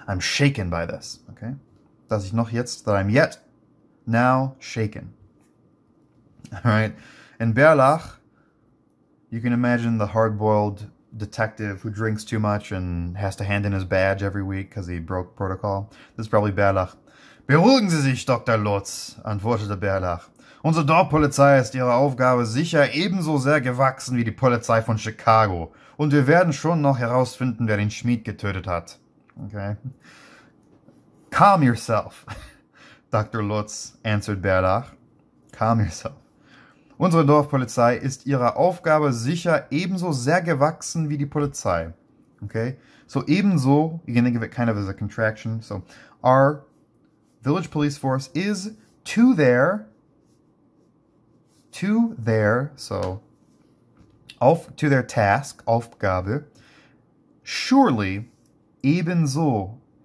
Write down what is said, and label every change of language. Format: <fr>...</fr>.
<en>I'm shaken by this, okay?</en> <de>Dass ich noch jetzt,</de> <en>that I'm yet, now, shaken. All right? And Bärlach, you can imagine the hard-boiled detective who drinks too much and has to hand in his badge every week because he broke protocol. This is probably Bärlach.</en> <de>Beruhigen Sie sich, Dr. Lutz, antwortete Bärlach. Unsere Dorfpolizei ist ihrer Aufgabe sicher ebenso sehr gewachsen wie die Polizei von Chicago. Und wir werden schon noch herausfinden, wer den Schmied getötet hat.</de> <en>Okay. Calm yourself, Dr. Lutz, answered Bärlach. Calm yourself.</en> <de>Unsere Dorfpolizei ist ihrer Aufgabe sicher ebenso sehr gewachsen wie die Polizei.</de> <en>Okay. So ebenso, you can think of it kind of as a contraction. So our village police force is to their task, Aufgabe, surely, ebenso,</en>